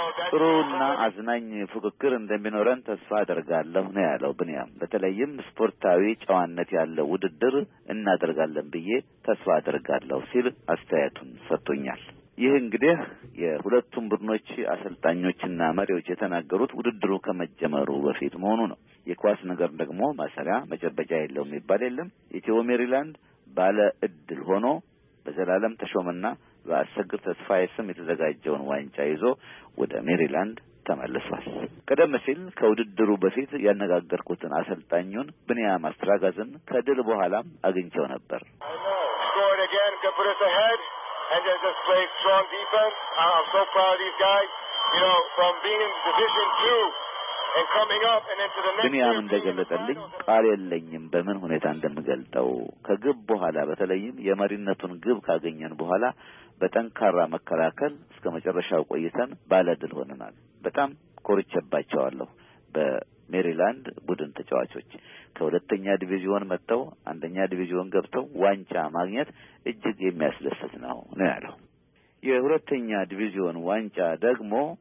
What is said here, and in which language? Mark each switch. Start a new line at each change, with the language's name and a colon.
Amharic: ጥሩና አዝናኝ ፉክክር እንደሚኖረን ተስፋ አደርጋለሁ ነው ያለው ቢንያም። በተለይም ስፖርታዊ ጨዋነት ያለው ውድድር እናደርጋለን ብዬ ተስፋ አደርጋለሁ ሲል አስተያየቱን ሰጥቶኛል። ይህ እንግዲህ የሁለቱም ቡድኖች አሰልጣኞችና መሪዎች የተናገሩት ውድድሩ ከመጀመሩ በፊት መሆኑ ነው። የኳስ ነገር ደግሞ ማሰሪያ መጨበጫ የለውም የሚባል የለም። ኢትዮ ሜሪላንድ ባለ እድል ሆኖ በዘላለም ተሾመና በአሰግር ተስፋዬ ስም የተዘጋጀውን ዋንጫ ይዞ ወደ ሜሪላንድ ተመልሷል። ቀደም ሲል ከውድድሩ በፊት ያነጋገርኩትን አሰልጣኙን ቢንያም አስትራጋዝን ከድል በኋላም አግኝቼው ነበር።
English: And they just play strong defense. I'm so proud of these guys. You know, from being in Division 2 and coming up and into the next
Amharic: ቢንያም እንደገለጠልኝ ቃል የለኝም በምን ሁኔታ እንደምገልጠው። ከግብ በኋላ በተለይም የመሪነቱን ግብ ካገኘን በኋላ በጠንካራ መከላከል እስከ መጨረሻው ቆይተን ባለድል ሆነናል። በጣም ኮርቼባቸዋለሁ በሜሪላንድ ቡድን ተጫዋቾች። ከሁለተኛ ዲቪዥን መጥተው አንደኛ ዲቪዥን ገብተው ዋንጫ ማግኘት እጅግ የሚያስደስት ነው ያለው። የሁለተኛ ዲቪዥን ዋንጫ ደግሞ